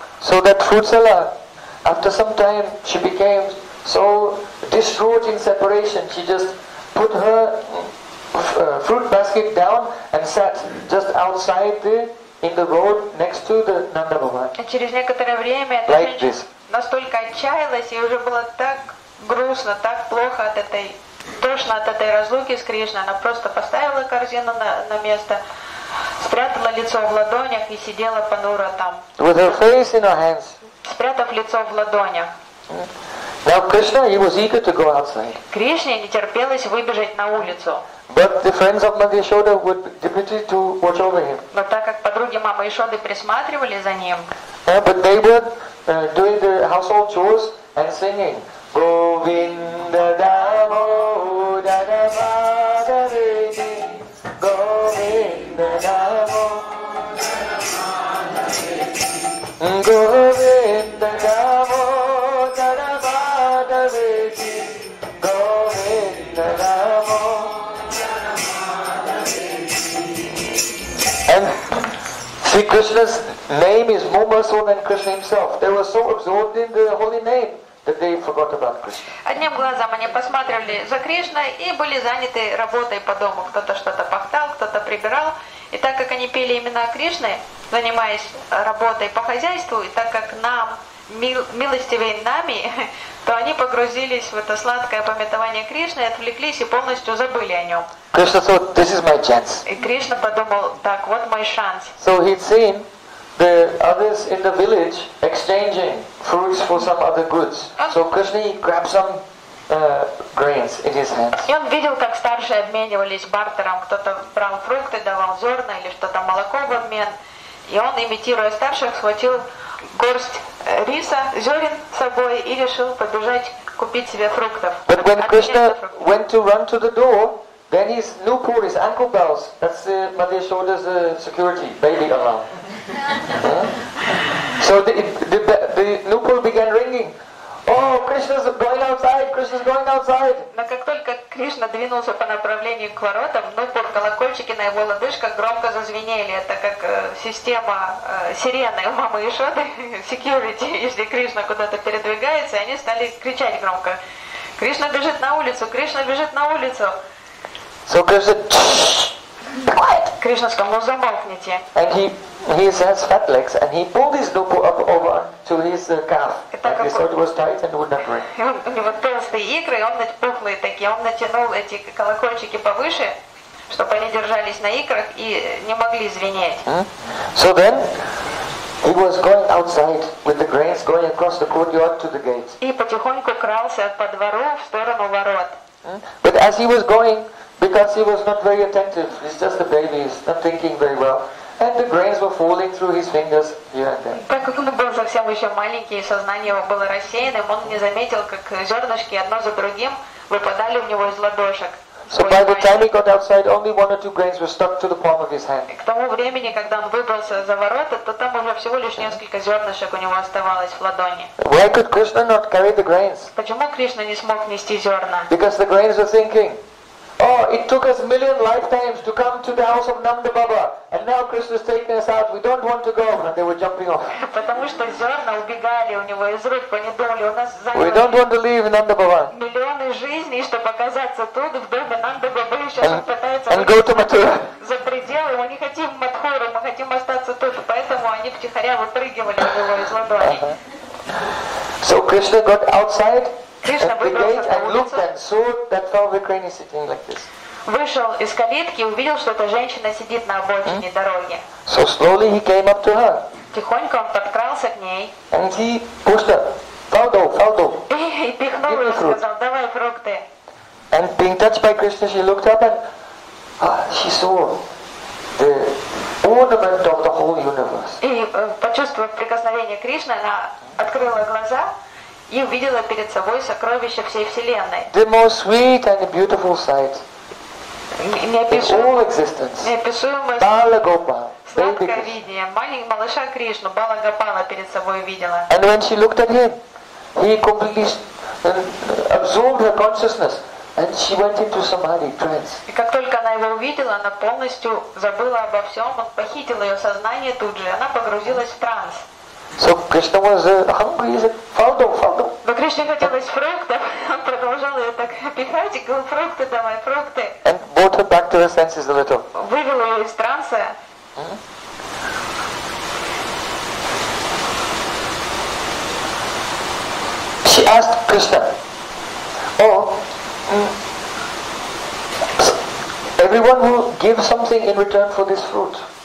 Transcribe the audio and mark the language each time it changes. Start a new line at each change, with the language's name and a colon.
English: So that fruit seller, after some time, she became so distraught in separation. She just put her fruit basket down and sat just outside the in the road next to the Nanda Baba.
Russian: Через некоторое время эта женщина настолько отчаялась, ей уже было так грустно, так плохо от этой тошно от этой разлуки с Кришной. Она просто поставила корзину на место, спрятала лицо в ладонях и сидела понуро там.
English: With her face in her hands.
Russian: Спрятав лицо в ладонях.
English: Now Krishna, he was eager to go outside.
Russian: Кришне не терпелось выбежать на улицу.
English: But the friends of Mother Yashoda were deputed to watch over him.
Russian: Но так как подруги мамы Ишоды присматривали за ним.
English: Yeah, but they were doing the household chores and singing. Govinda Damo Dada Madhavi Govinda Damo. Govinda Damo Dada Madhavi Ji. Govinda Damo Dada Madhavi Ji. And see, Krishna's name is more merciful than Krishna himself. They were so absorbed in the holy name that they forgot about Krishna.
Russian: Одним глазом они посматривали за Кришной и были заняты работой по дому. Кто-то что-то пахтал, кто-то прибирал. И так как они пели имена Кришны, занимаясь работой по хозяйству, и так как нам милостивее нами, то они погрузились в это сладкое памятование Кришны, отвлеклись и полностью забыли о нем.
English: Krishna thought, this is my chance.
Russian: И Кришна подумал, так, вот мой шанс.
English: So he'd seen the others in the village exchanging fruits for some other goods. So Krishna grabbed some grains in his hands.
Russian: И он видел, как старшие обменивались бартером. Кто-то брал фрукты, давал зерна или что-то молоко в обмен. И он, имитируя старших, схватил горсть риса, зерен с собой и решил побежать купить себе фруктов.
English: But when Krishna went to run to the door, then his nupur, his ankle bells, that's Mother Yashoda's security, baby alarm. So the nupur began ringing. Oh, Krishna's going outside, Krishna's going outside.
Russian: Но как только Кришна двинулся по направлению к воротам, нупур, колокольчики на его лодыжках громко зазвенели, так как система сирены у мамы Ишоды, security, если Кришна куда-то передвигается, они стали кричать громко. Кришна бежит на улицу, Кришна бежит на улицу.
English: So Krishna said, quiet!
Russian: Кришна сказал, замолкните.
English: And he has fat legs, and he pulled his nupur up over to his calf. And he thought it was tight and would not ring.
Russian: У него толстые икры, он пухлые такие, он натянул эти колокольчики повыше, чтобы они держались на икрах и не могли звенеть.
English: So then he was going outside with the grains, going across the courtyard to the gate.
Russian: И потихоньку крался по двору в сторону ворот.
English: But as he was going, because he was not very attentive, he's just a baby, he's not thinking very well, and the grains were falling through his fingers here and there.
Russian: Так как он был совсем еще маленький, сознание его было рассеянным, он не заметил, как зернышки одно за другим выпадали у него из ладошек.
English: So by the time he got outside, only one or two grains were stuck to the palm of his hand.
Russian: К тому времени, когда он выбрался за ворота, то там уже всего лишь несколько зернышек у него оставалось в ладони.
English: Why could Krishna not carry the grains?
Russian: Почему Кришна не смог нести зерна?
English: Because the grains were thinking, oh, it took us a million lifetimes to come to the house of Nanda Baba and now Krishna's taking us out. We don't want to go. And they were jumping off.
Russian: Потому что зерна убегали у него из рук, они думали, у нас заняло.
English: We don't want to leave Nanda Baba.
Russian: Миллионы жизней, чтобы показаться тут в доме Нанда Бабы, сейчас пытаются.
English: And go to Mathura.
Russian: За пределы. Мы не хотим Мадхуру, мы хотим остаться тут. Поэтому они втихаря выпрыгивали у него из ладони.
English: So Krishna got outside.
Russian: Кришна выбрался на улицу.
English: And looked and saw that Vikrini sitting like this.
Russian: Вышел из калитки, увидел, что эта женщина сидит на обочине дороги.
English: So slowly he came up to her.
Russian: Тихонько он подкрался к ней.
English: And he pushed her.
Hindi: Фалдо.
Russian: И пихнул ее, сказал, давай фрукты.
English: And being touched by Krishna, she looked up and she saw the ornament of the whole universe.
Russian: И почувствовав прикосновение Кришны, она открыла глаза. И увидела перед собой сокровища всей Вселенной.
English: The most sweet and beautiful sight.
Russian: Неописуемое. Бала Гопал. Сладкое видение. Маленький малыша Кришну, Бала Гопала перед собой видела.
English: And when she looked at him, he completely absorbed her consciousness, and she went into samadhi trance.
Russian: И как только она его увидела, она полностью забыла обо всем. Он похитил ее сознание тут же, и она погрузилась в транс.
English: So Krishna was hungry. He said,
Hindi: "Faldo."
Russian: Но Кришне хотелось фруктов. Он продолжал ее так пихать и говорил, "Фрукты, давай, фрукты."
English: And brought her back to her senses a little.
Russian: Вывел ее из транса.
English: She asked Krishna, "Oh, everyone who gives something in return for this fruit."